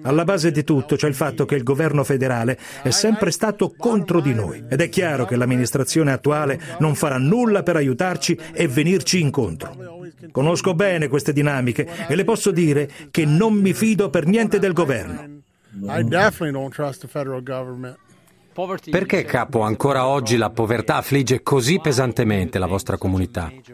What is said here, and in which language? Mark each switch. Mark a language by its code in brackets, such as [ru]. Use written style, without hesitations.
[it] Alla base di tutto c'è il fatto che il governo federale è sempre stato contro di noi ed è chiaro che l'amministrazione attuale non farà nulla per aiutarci e venirci incontro. Conosco bene queste dinamiche e le posso dire che non mi fido per niente del governo. [en] I definitely don't trust the federal government. [it] Perché, capo, ancora oggi la povertà affligge così pesantemente la vostra comunità?